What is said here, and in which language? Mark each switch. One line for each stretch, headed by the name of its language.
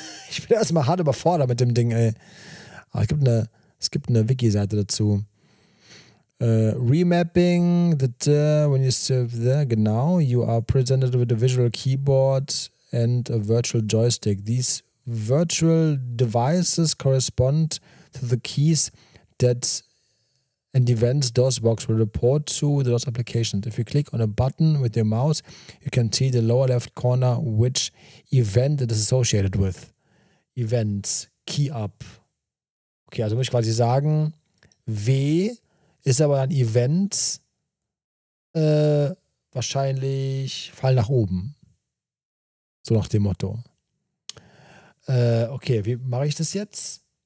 German: Ich bin erstmal hart überfordert mit dem Ding, ey. Aber es gibt eine Wiki-Seite dazu.
English: Remapping, when you serve there,
German: genau,
English: you are presented with a visual keyboard and a virtual joystick. These virtual devices correspond to the keys that and events DOSBox will report to the DOS application. If you click on a button with your mouse, you can see the lower left corner which event it is associated with. Events, key up.
German: Okay, also muss ich quasi sagen, W ist aber ein Event, wahrscheinlich Fall nach oben. So nach dem Motto. Okay, wie mache ich das jetzt?